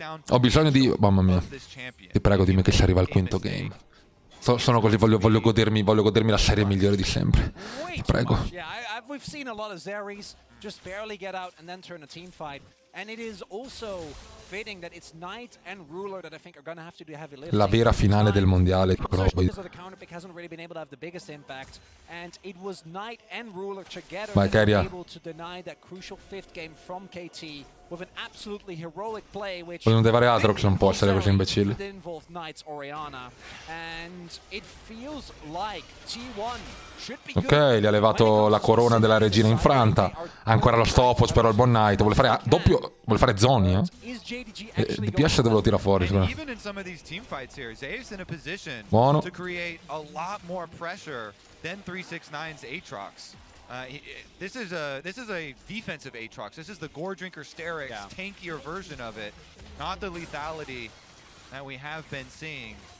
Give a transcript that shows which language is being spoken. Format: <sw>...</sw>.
<it>Ho bisogno di... mamma mia, ti prego, dimmi che si arriva al quinto game. Sono così, voglio godermi la serie migliore di sempre. Ti prego.</it> <en>We've seen a lot of Zeris just barely get out and then turn a team fight. And it is also fitting that it's Knight and Ruler that I think are going to have to do heavy lifting.</en> <it>La vera finale del mondiale, proprio.</it> <en>Hasn't really been able to have the biggest impact, and it was Knight and Ruler together that were able to deny that crucial fifth game from KT with an absolutely heroic play, which</en> <it>non può essere così imbecille.</it> <en>It involved Knight's Orianna, and it feels like T1.</en> <it>Ok, gli ha levato la corona della regina infranta. Ha ancora lo stopwatch, però il buon Knight vuole fare doppio, vuole fare zoni, eh? DPS dove lo tira fuori, secondo me. Buono.</it> <en>To create a lot more pressure than 369's Aatrox. This is a defensive Aatrox. This is the Gore Drinker Steryx, tankier version of it, not the lethality that we have been seeing.</en>